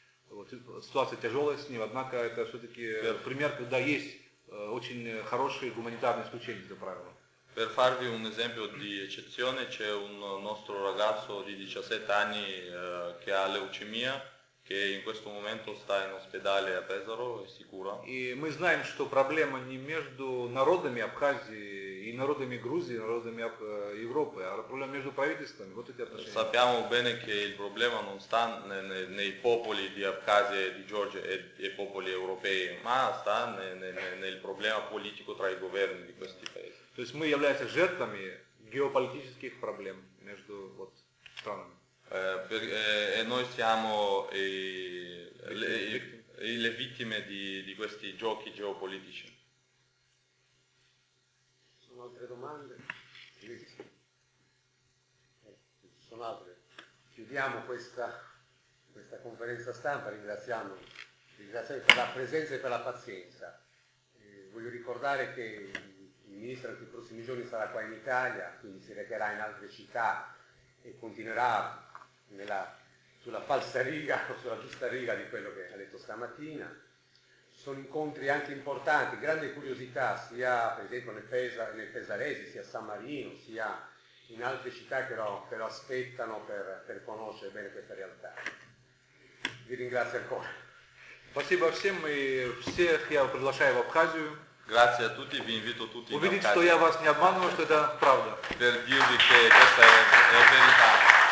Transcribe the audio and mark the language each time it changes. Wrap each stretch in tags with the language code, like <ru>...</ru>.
<ru>Вот, ситуация тяжелая с ним, однако это все-таки пример, когда есть очень хорошие гуманитарные исключения за правило.</ru> <it>Per farvi un esempio di eccezione, c'è un nostro ragazzo di 17 anni che ha leucemia, che in questo momento sta in ospedale a Pesaro e si cura.</it> <ru>И мы знаем, что проблема не между народами Абхазии и народами Грузии, народами Европы, а проблема между правительствами. Вот эти отношения.</ru> <it>Sappiamo bene che il problema non sta nei popoli di Abkhazia, di Georgia e popoli europei, ma sta nel problema politico tra i governi di questi paesi.</it> <ru>То есть мы являемся жертвами геополитических проблем между вот странами.</ru> <it>E noi siamo le vittime di questi giochi geopolitici. Altre domande? Ci sono altre. Chiudiamo questa conferenza stampa ringraziandovi per la presenza e per la pazienza. Voglio ricordare che il ministro nei prossimi giorni sarà qua in Italia, quindi si recherà in altre città e continuerà sulla falsa riga o sulla giusta riga di quello che ha detto stamattina. Sono incontri anche importanti, grande curiosità sia per esempio nel Pesaresi, sia a San Marino, sia in altre città che lo aspettano per conoscere bene questa realtà. Vi ringrazio ancora.</it> <ru>Спасибо всем и всех я приглашаю в Абхазию.</ru> <it>Grazie a tutti, vi invito tutti in Abkhazia.</it> <ru>Увидеть, что я вас не обманываю, что это правда.</ru> <it>Per dirvi che questa è verità.</it>